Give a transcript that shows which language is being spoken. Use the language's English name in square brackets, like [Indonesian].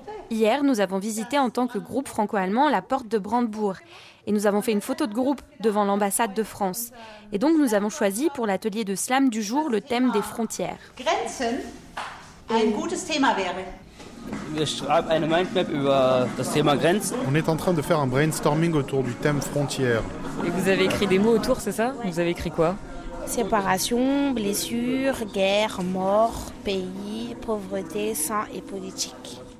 [French] Hier, nous avons visité en tant que groupe franco-allemand la porte de Brandebourg. Et nous avons fait une photo de groupe devant l'ambassade de France. Et donc nous avons choisi pour l'atelier de slam du jour le thème des frontières. [German] Grenzen, ein gutes Thema wäre. [French] On est en train de faire un brainstorming autour du thème frontières. Et vous avez écrit des mots autour, c'est ça? Vous avez écrit quoi? Séparation, blessure, guerre, mort, pays, pauvreté, sang et politique.